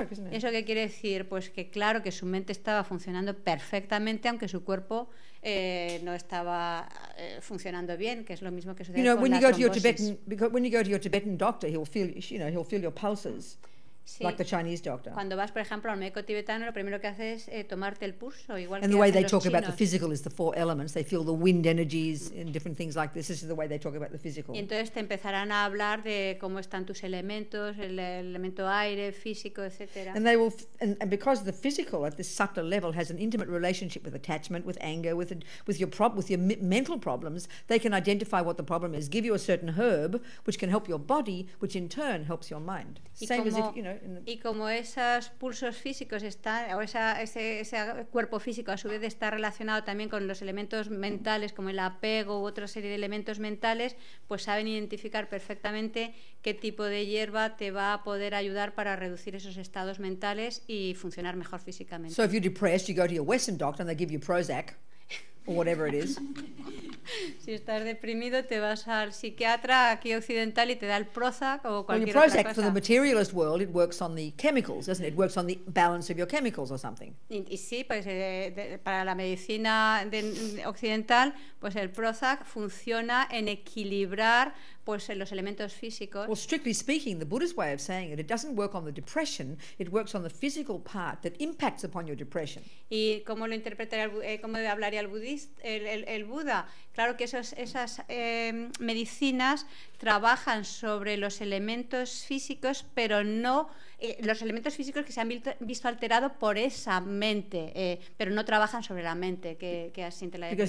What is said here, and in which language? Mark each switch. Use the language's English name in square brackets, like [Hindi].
[Spanish] Eso qué quiere decir, pues que claro que su mente estaba funcionando perfectamente, aunque su cuerpo no estaba funcionando bien, que es lo mismo que sucede con la trombosis. [English] You know, when you go to your Tibetan, because when you go to your Tibetan doctor, he'll feel your pulses, [Spanish] sí. [English] Like the Chinese doctor. [Spanish] Cuando vas, por ejemplo, al médico tibetano, lo primero que hace es tomarte el pulso, igual [English] and [Spanish] que hacen los chinos. [English] And the way they talk [Spanish] chinos. [English] About the physical is the four elements. They feel the wind energies and different things like this. This is the way they talk about the physical. [Spanish] Y entonces te empezarán a hablar de cómo están tus elementos, el elemento aire, físico, etcétera. [English] And they will, and because the physical at this subtle level has an intimate relationship with attachment, with anger, with your mental problems, they can identify what the problem is, give you a certain herb which can help your body, which in turn helps your mind. Same as if, you know. [Spanish] Y como esos pulsos físicos están, o ese cuerpo físico a su vez está relacionado también con los elementos mentales, como el apego u otra serie de elementos mentales, pues saben identificar perfectamente qué tipo de hierba te va a poder ayudar para reducir esos estados mentales y funcionar mejor físicamente. [English] So if you're depressed, you go to your Western doctor and they give you Prozac. Or whatever it is. [Spanish] Si estás deprimido, te vas al psiquiatra aquí occidental y te da el Prozac o cualquier otra cosa. [English] Well, Prozac for the materialist world, it works on the chemicals, doesn't it? It works on the balance of your chemicals or something. [Spanish] Y sí, pues para la medicina occidental, pues el Prozac funciona en equilibrar pues los elementos físicos. [English] Well, strictly speaking, the Buddhist way of saying it doesn't work on the depression, it works on the physical part that impacts upon your depression. [Spanish] ¿Y cómo lo interpretaría cómo hablaría el Buda? Claro que esas medicinas trabajan sobre los elementos físicos, pero no los elementos físicos que se han visto alterados por esa mente, pero no trabajan sobre la mente que asiente la depresión.